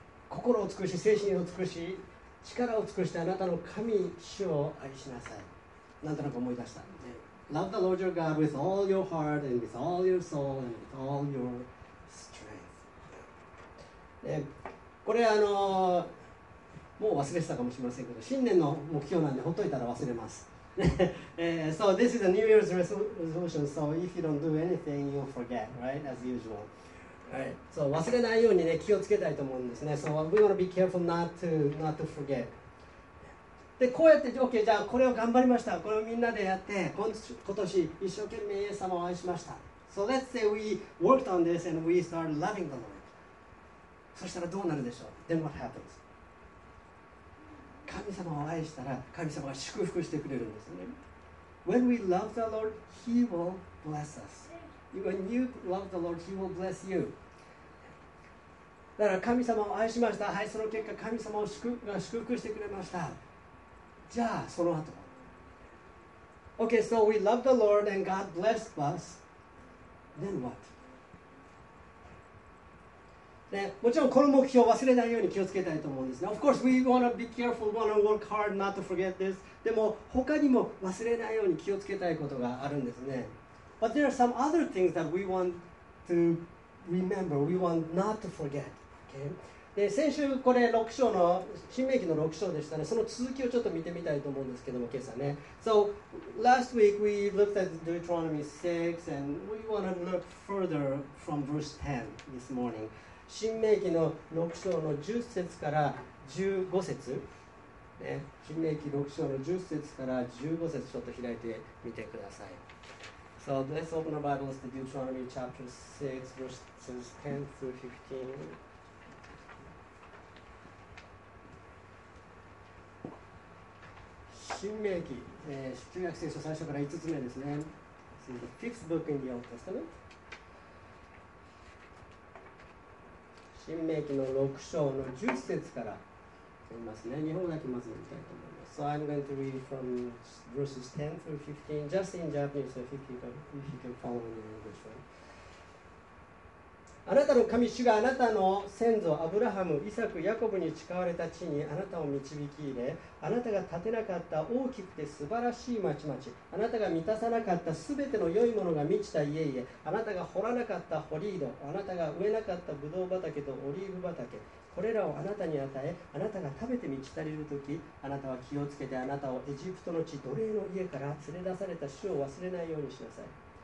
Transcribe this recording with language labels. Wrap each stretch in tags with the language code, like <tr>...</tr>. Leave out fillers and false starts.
<ja>心を尽くし、精神を尽くし、力を尽くしてあなたの神、主を愛しなさい。なんとなく思い出した。</ja> <en>Love the Lord your God with all your heart and with all your soul and with all your strength.</en> <ja>これもう忘れてたかもしれませんけど、新年の目標なんでほっといたら忘れます。</ja> <en>so this is a New Year's resolution. So if you don't do anything, you'll forget, right? As usual. Right.</en> <ja>So, 忘れないように、ね、気をつけたいと思うんですね。</ja> <en>So, we want to be careful not to forget.</en> <ja>で、こうやって、OK、じゃあこれを頑張りました。これをみんなでやって、今年一生懸命イエス様を愛しました。</ja> <en>So, let's say we worked on this and we started loving the Lord.</en> <ja>そしたらどうなるでしょう。</ja> <en>Then what happens?</en> <ja>神様を愛したら神様が祝福してくれるんですね。</ja> <en>When we love the Lord, He will bless us. When you love the Lord, He will bless you.</en> <ja>だから神様を愛しました。はい、その結果神様を祝福してくれました。じゃあその後。</ja> <en>Okay, so we love the Lord and God blessed us. Then what?</en> <ja>で、もちろんこの目標を忘れないように気をつけたいと思うんですね。</ja> <en>Of course, we want to be careful, want to work hard not to forget this.</en> <ja>でも他にも忘れないように気をつけたいことがあるんですね。</ja> <en>But there are some other things that we want to remember, we want not to forget.、Okay?</en> <ja>で先週これ6章の、新命記の6章でしたね。その続きをちょっと見てみたいと思うんですけども、今朝ね。</ja> <en>So, last week we looked at Deuteronomy 6 and we want to look further from verse 10 this morning.</en> <ja>新命記の6章の10節から15節。ね、新命記6章の10節から15節ちょっと開いてみてください。</ja> <en>So let's open our Bibles to Deuteronomy chapter 6, verses 10 through 15.</en> <ja>Shinmeiki, 旧約聖書最初から5つ目ですね。</ja> <en>This is the fifth book in the Old Testament.</en> <ja>Shinmeiki の6章の10節から読みますね。日本語だけまず読みたいと思います。</ja> <en>So I'm going to read from verses 10 through 15, just in Japanese, so if you can follow me in English.</en> <ja>あなたの神主があなたの先祖アブラハム、イサク、ヤコブに誓われた地にあなたを導き入れ、あなたが建てなかった大きくて素晴らしい町々、あなたが満たさなかったすべての良いものが満ちた家々、あなたが掘らなかった掘り井戸、あなたが植えなかったブドウ畑とオリーブ畑、これらをあなたに与え、あなたが食べて満ち足りるとき、あなたは気をつけてあなたをエジプトの地奴隷の家から連れ出された主を忘れないようにしなさい。</ja>